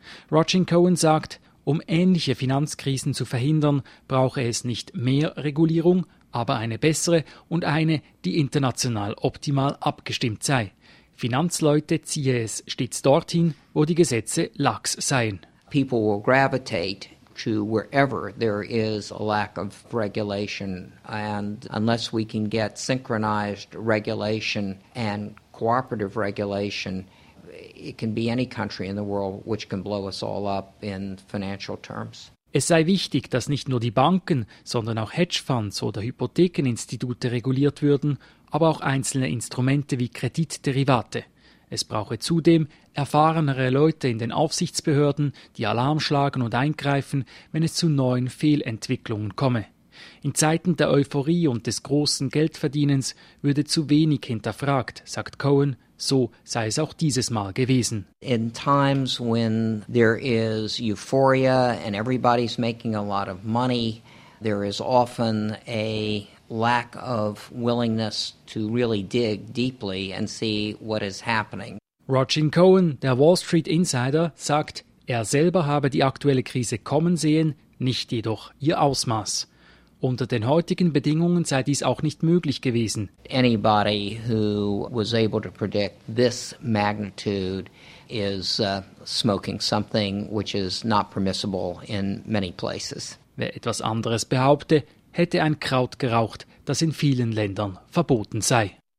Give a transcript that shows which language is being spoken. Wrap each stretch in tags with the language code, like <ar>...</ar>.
<de>Roger Cohen sagt, um ähnliche Finanzkrisen zu verhindern, brauche es nicht mehr Regulierung, aber eine bessere und eine, die international optimal abgestimmt sei. Finanzleute ziehe es stets dorthin, wo die Gesetze lax seien.</de> <en>People will gravitate to wherever there is a lack of regulation, and unless we can get synchronized regulation and cooperative regulation, it can be any country in the world which can blow us all up in financial terms.</en> <de>Es sei wichtig, dass nicht nur die Banken, sondern auch Hedgefonds oder Hypothekeninstitute reguliert würden, aber auch einzelne Instrumente wie Kreditderivate. Es brauche zudem erfahrenere Leute in den Aufsichtsbehörden, die Alarm schlagen und eingreifen, wenn es zu neuen Fehlentwicklungen komme. In Zeiten der Euphorie und des großen Geldverdienens würde zu wenig hinterfragt, sagt Cohen. So sei es auch dieses Mal gewesen.</de> <en>In times when there is euphoria and everybody's making a lot of money, there is often a lack of willingness to really dig deeply and see what is happening.</en> <de>Roger Cohen, der Wall Street Insider, sagt, er selber habe die aktuelle Krise kommen sehen, nicht jedoch ihr Ausmaß. Unter den heutigen Bedingungen sei dies auch nicht möglich gewesen.</de> <en>Anybody who was able to predict this magnitude is smoking something which is not permissible in many places.</en> <de>Wer etwas anderes behaupte, hätte ein Kraut geraucht, das in vielen Ländern verboten sei.</de>